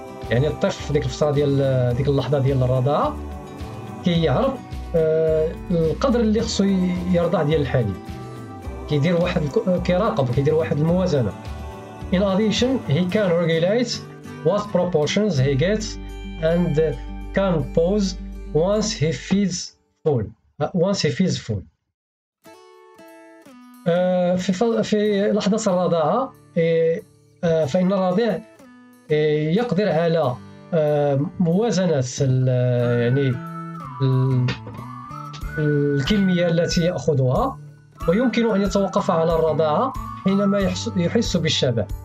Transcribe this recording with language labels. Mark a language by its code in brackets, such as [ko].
[ar] يعني الطفل في ديك الفترة ديال ديك اللحظة ديال الرضاعة كيعرف القدر اللي خصو يرضع ديال الحليب. كيدير واحد كيراقب كيدير واحد الموازنة. [en] In addition, he can regulate what proportions he gets and can pause once he feeds full. [ar] في لحظة الرضاعة فإن الرضيع يقدر على موازنة يعني الكمية التي يأخذها ويمكن أن يتوقف على الرضاعة حينما يحس بالشبع.